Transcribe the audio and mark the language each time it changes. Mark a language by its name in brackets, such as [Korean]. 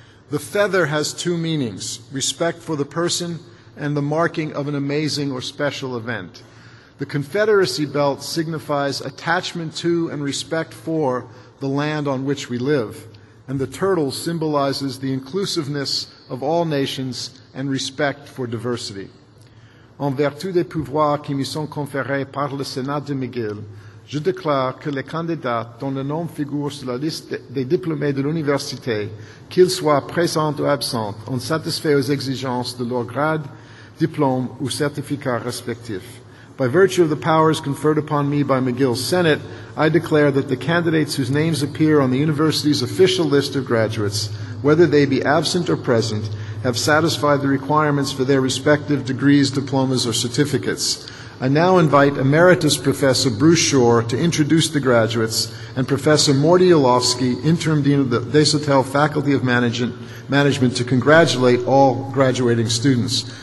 [English] The feather has two meanings, respect for the person and the marking of an amazing or special event. The Confederacy belt signifies attachment to and respect for the land on which we live, and the turtle symbolizes the inclusiveness of all nations and respect for diversity. [French] En vertu des pouvoirs qui me sont conférés par le Sénat de McGill, je déclare que les candidats dont le nom figure sur la liste des diplômés de l'université, qu'ils soient présents ou absents, ont satisfait aux exigences de leur grade, diplôme ou certificat respectif. [English] By virtue of the powers conferred upon me by McGill's Senate, I declare that the candidates whose names appear on the university's official list of graduates, whether they be absent or present, have satisfied the requirements for their respective degrees, diplomas, or certificates. I now invite Emeritus Professor Bruce Shore to introduce the graduates and Professor Morty Yalofsky, Interim Dean of the Desautels Faculty of Management, to congratulate all graduating students.